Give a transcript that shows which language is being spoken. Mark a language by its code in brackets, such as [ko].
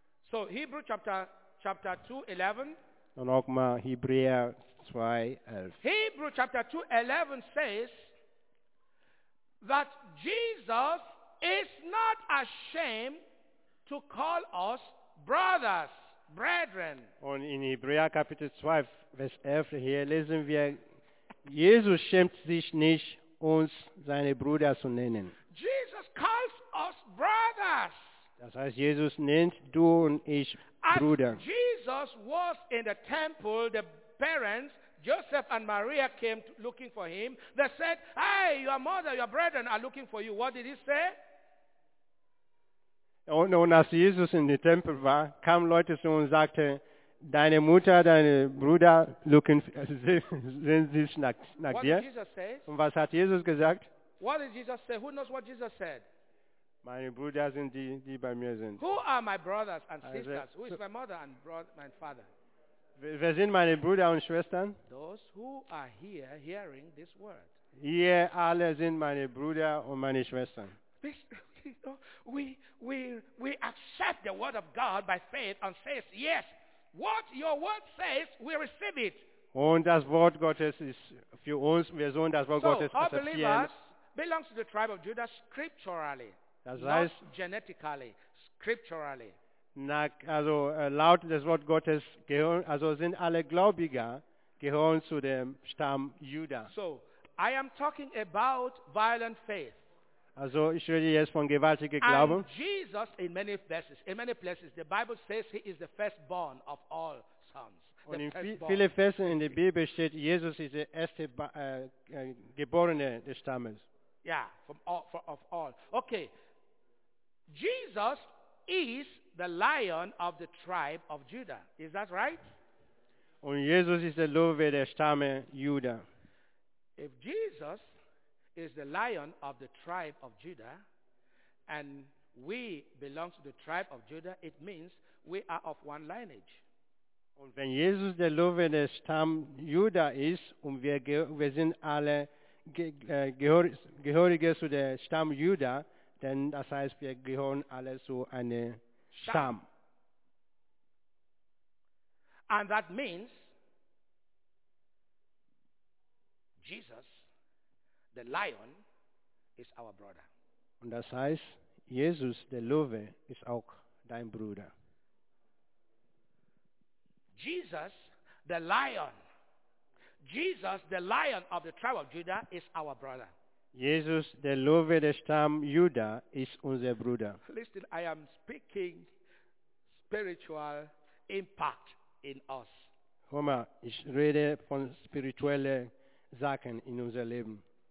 [en] So Hebrew chapter 2, 11. [de] Und auch mal Hebräer 2, 11. [en] Hebrew chapter 2, 11 says that Jesus is not ashamed to call us brothers, brethren. [de] Und in Hebräer Kapitel 2, Vers 11 hier lesen wir, Jesus schämt sich nicht, uns seine Brüder zu nennen. [en] Jesus calls us brothers. [de] Das heißt, Jesus nennt du und ich Brüder. [en] As Jesus was in the temple, the parents, Joseph and Maria, came looking for him. They said, hey, your mother, your brethren are looking for you. What did he say? [de] Und als Jesus in den Tempel war, kamen Leute zu und sagte, deine Mutter, deine Brüder sehen sich nach dir. Und was hat Jesus gesagt? [en] What did Jesus say? Who knows what Jesus said? [de] Meine Brüder sind die bei mir sind. [en] Who are my brothers and sisters? Also, who is my mother and my father? [de] Wer sind meine Brüder und Schwestern? [en] Those who are here hearing this word. [de] Hier alle sind meine Brüder und meine Schwestern. [en] We accept the word of God by faith and says yes. What your word says, we receive it. [de] Und das Wort Gottes ist für uns. Wir sollen das Wort Gottes akzeptieren. [en] So our believers belongs to the tribe of Judah scripturally. [de] Das heißt, [en] not genetically, scripturally. [de] Also laut des Wort Gottes gehören, also sind alle Gläubiger gehören zu dem Stamm Juda. [en] So, I am talking about violent faith. [de] Also ich rede jetzt von gewaltigem Glauben. [en] And Jesus, in many places, the Bible says he is the firstborn of all sons. [de] Und in viele Versen in der Bibel steht, Jesus ist der erste Geborene des Stammes. [en] Yeah, of all. Okay. Jesus is the lion of the tribe of Judah. Is that right? [de] Und Jesus ist der Löwe der Stamme Juda. [en] If Jesus is the lion of the tribe of Judah and we belong to the tribe of Judah, it means we are of one lineage. [de] Und wenn Jesus der Löwe des Stamms Juda ist und wir sind alle Gehörige zu dem Stamm Juda, dann das heißt, wir gehören alle zu einem Stamm. [en] And that means Jesus, the lion, is our brother. [de] Und das heißt, Jesus, der Löwe, ist auch dein Bruder. [en] Jesus, the lion. Jesus, the lion of the tribe of Judah, is our brother. [de] Jesus, der Löwe des Stamm Juda, ist unser Bruder. [en] Listen, I am speaking spiritual impact in us. [de] Hör mal, ich rede von spirituellen Sachen in unser Leben.